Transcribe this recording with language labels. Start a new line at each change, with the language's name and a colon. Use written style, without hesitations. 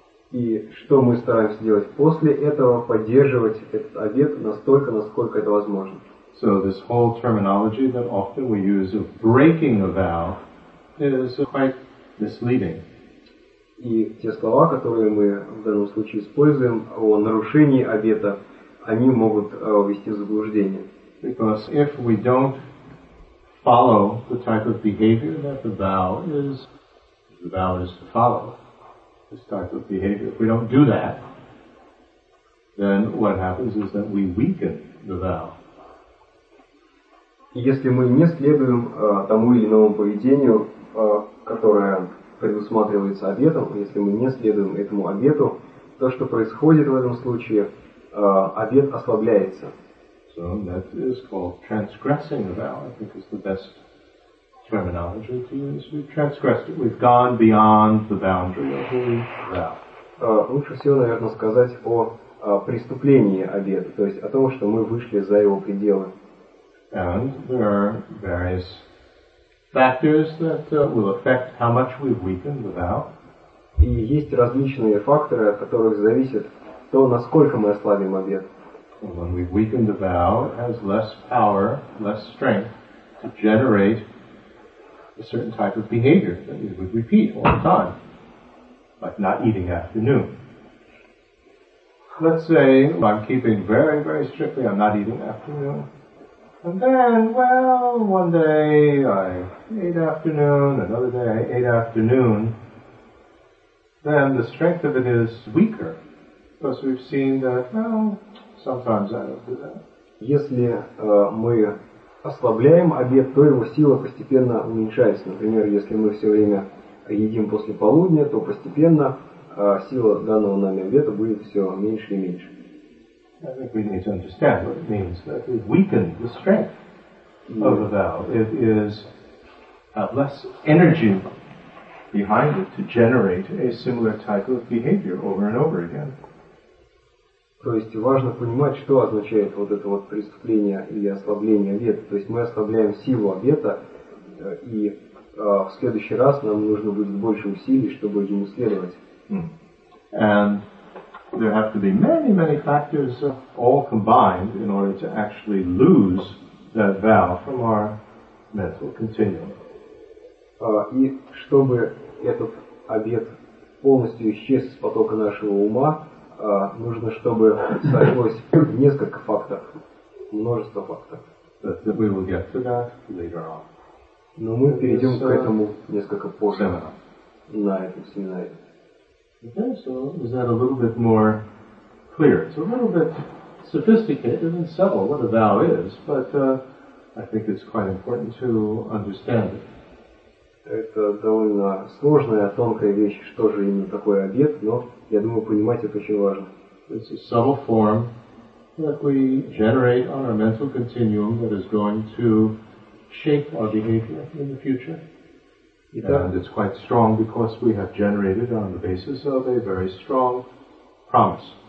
Russian: И что мы стараемся делать после этого, поддерживать этот обет настолько, насколько это возможно.
English: So this whole terminology that often we use of breaking a vow is quite misleading.
Russian: И те слова, которые мы в данном случае используем о нарушении обета, они могут ввести в заблуждение.
English: Because if we don't follow the type of behavior that the vow is to follow this type of behavior, if we don't do that, then what happens is that we weaken the vow.
Russian: Если мы не следуем тому или иному поведению, которое предусматривается обетом, если мы не следуем этому обету, то, что происходит в этом случае, обет ослабляется.
English: So that is called transgressing the vow. I think is the best terminology to use. We've transgressed it. We've gone beyond the boundary of the vow.
Russian: Лучше всего, наверное, сказать о преступлении обета, то есть о том, что мы вышли за его пределы.
English: And there are various factors that will affect how much we've weakened the vow.
Russian: И есть различные факторы, от которых зависит то, насколько мы ослабим обет.
English: When we weaken the vow, it has less power, less strength to generate a certain type of behavior that you would repeat all the time, like not eating after noon. Let's say I'm keeping very, very strictly, I'm not eating after noon. And then, well, one day I ate afternoon, another day I ate afternoon. Then the strength of it is weaker, because we've seen that, well, sometimes I don't do that.
Russian: Если мы ослабляем обет, то его сила постепенно уменьшается. Например, если мы все время едим после полудня, то постепенно сила данного нами обета будет все меньше и меньше.
English: I think we need to understand what it means that it weakens the strength of the vow. It is less energy behind it to generate a similar type of behavior over and over again.
Russian: То есть важно понимать, что означает вот это вот преступление или ослабление обета. То есть мы ослабляем силу обета, и в следующий раз нам нужно будет больше усилий, чтобы ему следовать.
English: And there have to be many, many factors all combined in order to actually lose that vow from our mental continuum.
Russian: И чтобы этот обет полностью исчез из потока нашего ума, нужно, чтобы сошлось несколько фактов, множество фактов.
English: But we will get to that later on.
Russian: Но мы перейдем к этому несколько позже на этом семинаре.
English: Okay, so is that a little bit more clear? It's a little bit sophisticated and subtle what a vow is, but I think it's quite important to understand it.
Russian: Это довольно сложная, тонкая вещь, что же именно такой обет, но я думаю, понимать это очень важно.
English: It's a subtle form that we generate on our mental continuum that is going to shape our behavior in the future.
Russian: Итак,
English: and it's quite strong because we have generated on the basis of a very strong promise.